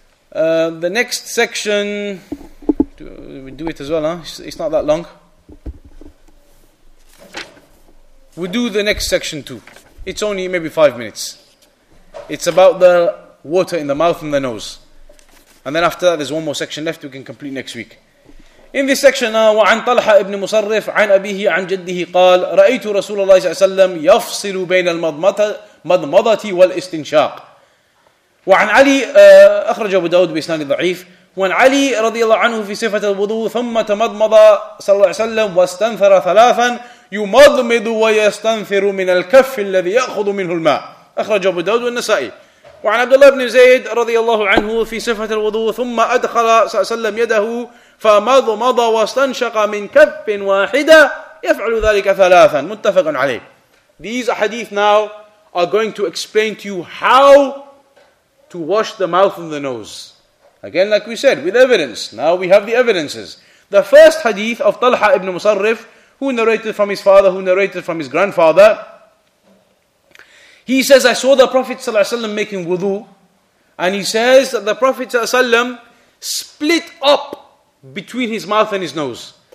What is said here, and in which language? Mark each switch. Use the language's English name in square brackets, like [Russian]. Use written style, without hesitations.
[English] The next section, we do it as well, huh? It's not that long. We do the next section too. It's only maybe 5 minutes. It's about the water in the mouth and the nose. And then after that, there's one more section left we can complete next week. In this section, [Arabic] وعن طلحة ابن مصرف عن أبيه عن جده قال رأيت رسول الله صلى الله عليه وسلم يفصل بين المضمضة والاستنشاق وعن علي أخرج أبو داود بإسناد ضعيف وعن علي رضي الله عنه في صفة الوضوء ثم تمضمض صلى الله عليه وسلم واستنثر ثلاثا يمضمض ويستنثر من الكف الذي يأخذ منه الماء أخرج أبو داود والنسائي وعن عبد الله بن زيد رضي الله عنه في صفة الوضوء ثم أدخل صلى الله عليه وسلم يده فَمَضْمَضَ وَاسْتَنْشَقَ مِنْ كَفٍ وَاحِدًا يَفْعَلُ ذَلِكَ ثَلَاثًا مُتَّفَقًا عَلَيْهِ. [English] These hadith now are going to explain to you how to wash the mouth and the nose. Again, like we said, with evidence. Now we have the evidences. The first hadith of Talha ibn Musarrif, who narrated from his father, who narrated from his grandfather, he says, I saw the Prophet ﷺ making wudu, and he says that the Prophet ﷺ split up between his mouth and his nose.